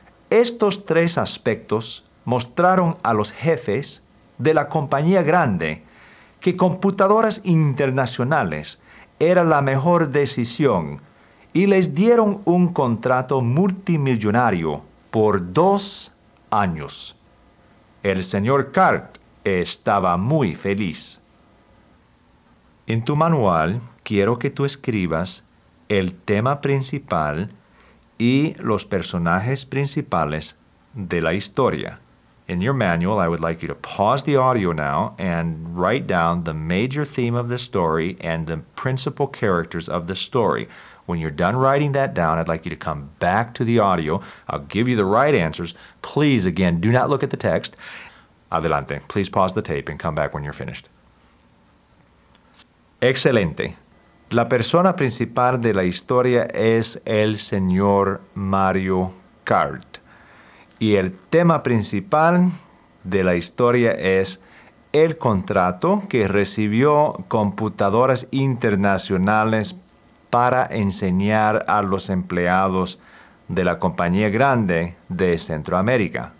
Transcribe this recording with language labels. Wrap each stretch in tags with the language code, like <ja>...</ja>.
<es>Estos 3 aspectos mostraron a los jefes de la compañía grande que computadoras internacionales era la mejor decisión y les dieron un contrato multimillonario por 2 años. El señor Kart estaba muy feliz. En tu manual, quiero que tú escribas el tema principal y los personajes principales de la historia.</es> <en>In your manual, I would like you to pause the audio now and write down the major theme of the story and the principal characters of the story. When you're done writing that down, I'd like you to come back to the audio. I'll give you the right answers. Please, again, do not look at the text. Adelante. Please pause the tape and come back when you're finished.</en> <es>Excelente. La persona principal de la historia es el señor Mario Kart. Y el tema principal de la historia es el contrato que recibió computadoras internacionales para enseñar a los empleados de la compañía grande de Centroamérica.</es>